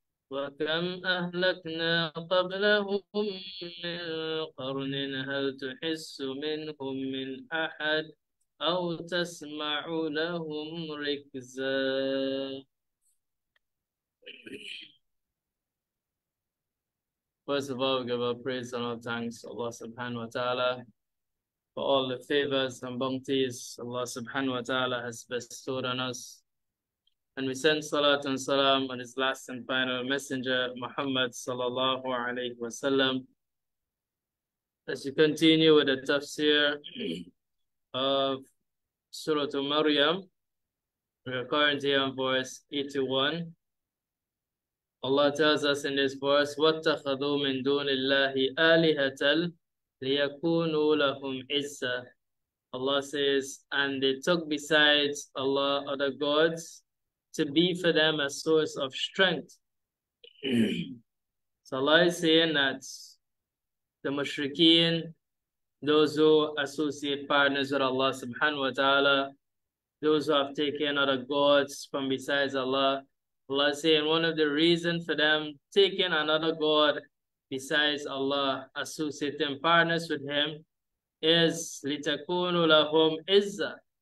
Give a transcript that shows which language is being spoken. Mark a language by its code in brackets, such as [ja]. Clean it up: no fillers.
[ar] وكم أهلكنا قبلهم من قرن هل تحس منهم من أحد أو تسمع لهم ركزا. [en] First of all, we give our praise and our thanks to Allah subhanahu wa ta'ala for all the favors and bounties Allah subhanahu wa ta'ala has bestowed on us. And we send salat and salam on his last and final messenger, Muhammad sallallahu alayhi wa sallam. As we continue with the tafsir of Surah to Maryam, we are currently on verse 81. Allah tells us in this verse, [ar] وَاتَّخَذُوا مِن دُونِ اللَّهِ آلِهَةً لِيَكُونُوا لَهُمْ عِزَّةً. [en] Allah says, and they took besides Allah other gods to be for them a source of strength. So Allah is saying that the mushrikeen, those who associate partners with Allah subhanahu wa ta'ala, those who have taken other gods from besides Allah, Allah is saying one of the reasons for them taking another god besides Allah, associating partners with him, is [ar] litakunu lahum izza,